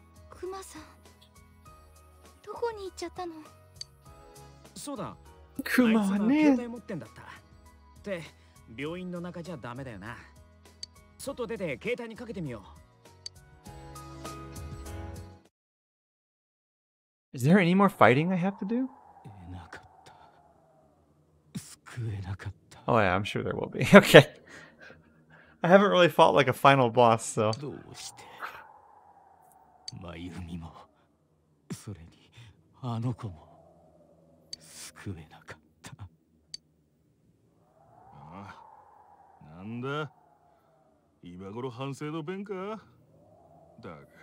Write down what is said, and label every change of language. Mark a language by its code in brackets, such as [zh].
[ja] クマさん、どこに行っちゃったの？そうだ、クマはね、あいつの携帯持ってんだった。って、病院の中じゃダメだよな。外出て携帯にかけてみよう。 [en] Is there any more fighting I have to do? [ja] いなかった。救えなかった。 [en] Oh yeah, I'm sure there will be. Okay. I haven't really fought like a final boss, so. [ja] どうして？まゆみも、それにあの子も救えなかった。ああ、なんだ？今頃反省の弁か？だが。